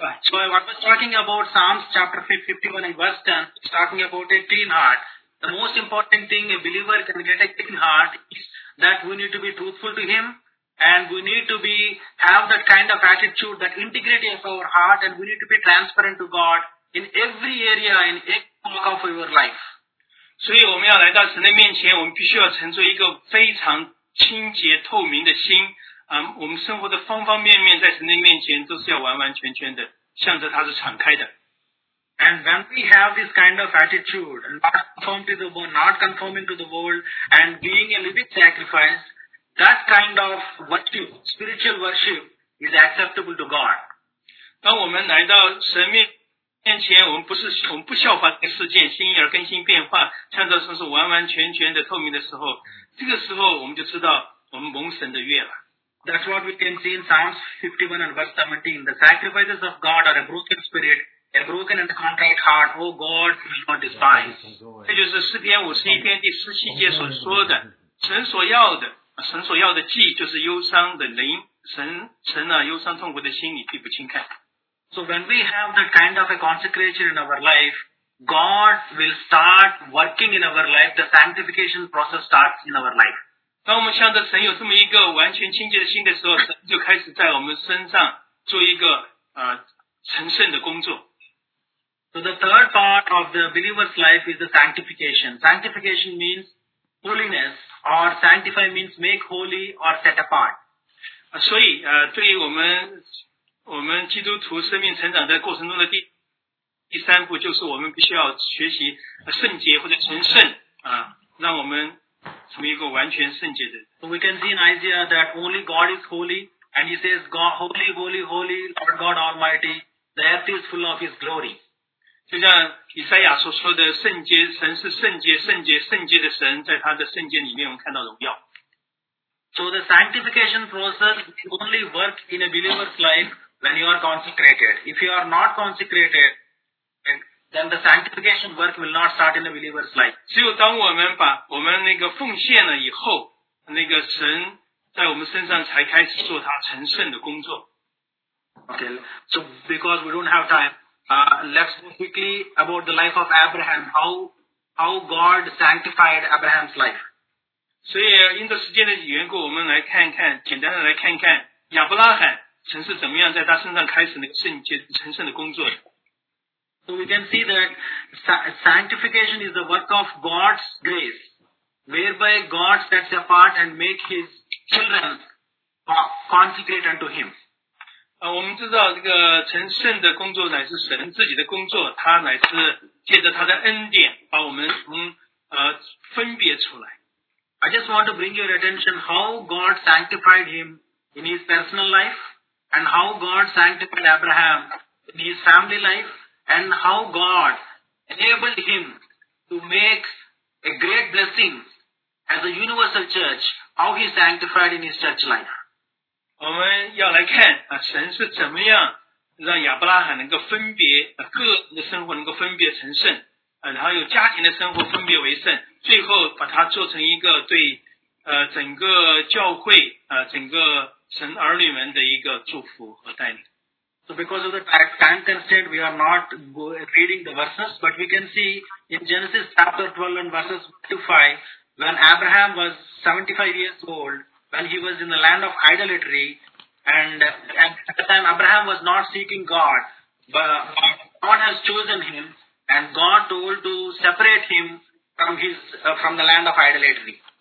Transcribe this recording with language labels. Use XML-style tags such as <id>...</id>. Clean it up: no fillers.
<en>So I was talking about Psalms chapter 51 and verse 10, talking about a clean heart. The most important thing a believer can get a clean heart is that we need to be truthful to him, and we need to be have that kind of attitude, that integrity of our heart, and we need to be transparent to God in every area, in every walk of our life.</en> <zh>所以我们要来到神的面前，我们必须要存着一个非常清洁透明的心。我们生活的方方面面在神的面前都是要完完全全的，向着他是敞开的。</zh> <en>And when we have this kind of attitude, not conforming to the world, not conforming to the world, and being a living sacrifice, that kind of worship, spiritual worship, is acceptable to God.</en> <zh>当我们来到神面前。面前我们不是我们不效法这个世界心意而更新变化创造神是完完全全的透明的时候这个时候我们就知道我们蒙神的悦了</zh> <en>That's what we can see in Psalms 51 and verse 17 The sacrifices of God are a broken spirit A broken and contrite heart O God do not despise</en> <zh>这就是诗篇51篇第17节所说的神所要的神所要的祭就是忧伤的灵神啊忧伤痛苦的心你必不轻看</zh> <en>So when we have that kind of a consecration in our life, God will start working in our life, the sanctification process starts in our life.</en> <zh>当我们向着神有这么一个完全清洁的心的时候神就开始在我们身上做一个成圣的工作。</zh> <en>So the third part of the believer's life is the sanctification. Sanctification means holiness or sanctify means make holy or set apart.</en> <zh>所以对于我们基督徒生命成长的过程中的第三步就是我们必须要学习圣洁或者成圣让我们成为一个完全圣洁的。</zh> <en>So we can see in Isaiah that only God is holy, and he says, God, holy, holy, holy, Lord God Almighty, the earth is full of his glory.</en> <zh>就像以赛亚所说的圣洁神是圣洁圣洁圣洁的神在他的圣洁里面我们看到荣耀。</zh> <en>So the sanctification process only works in a believer's life when you are consecrated. If you are not consecrated, then the sanctification work will not start in a believer's life.</en> <zh>只有当我们把我们那个奉献了以后，那个神在我们身上才开始做他成圣的工作。</zh> <en>Okay, so because we don't have time, let's go quickly about the life of Abraham. How God sanctified Abraham's life.</en> <zh>所以因着时间的缘故我们来看看简单的来看看亚伯拉罕神是怎么样在他身上开始那个圣洁成圣的工作的。</zh> <en>So we can see that sanctification is the work of God's grace, whereby God sets apart and make his children consecrated unto him.</en> <zh>我们知道这个成圣的工作乃是神自己的工作他乃是借着他的恩典把我们从分别出来。</zh> <en>I just want to bring your attention how God sanctified him in his personal life and how God sanctified Abraham in his family life and how God enabled him to make a great blessing as a universal church, how he sanctified in his church life.</en> <zh>我们要来看神是怎么样让亚伯拉罕能够分别个人的生活能够分别成圣然后有家庭的生活分别为圣最后把它做成一个对整个教会整个神儿女们的一个祝福和带领。</zh> <en>So because of the time constraint, we are not reading the verses, but we can see in Genesis chapter 12 and verses 25, when Abraham was 75 years old, when he was in the land of idolatry, and at the time Abraham was not seeking God, but God has chosen him, and God told to separate him,from the land of idolatry.</en>